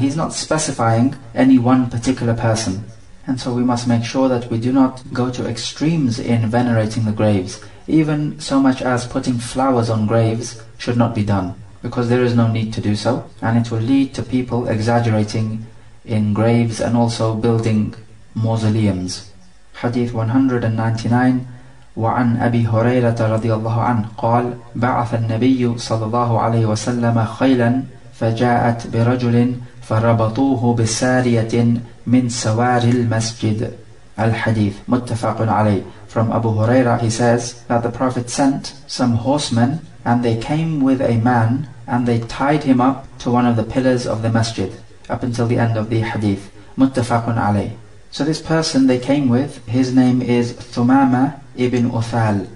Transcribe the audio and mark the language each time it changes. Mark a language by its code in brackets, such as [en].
[en] He's not specifying any one particular person. And so we must make sure that we do not go to extremes in venerating the graves. Even so much as putting flowers on graves should not be done, because there is no need to do so. And it will lead to people exaggerating in graves and also building mausoleums. Hadith 199. [ar] وعن أبي هريرة رضي الله عنه قال بعث النبي صلى الله عليه وسلم خيلا فجاءت برجل فربطوه بسارية من سوار المسجد. الحديث متفق عليه. [en] From Abu Huraira he says that the Prophet sent some horsemen and they came with a man and they tied him up to one of the pillars of the masjid. Up until the end of the hadith. [ar] متفق عليه. [en] So this person they came with, his name is Thumama ibn Uthal.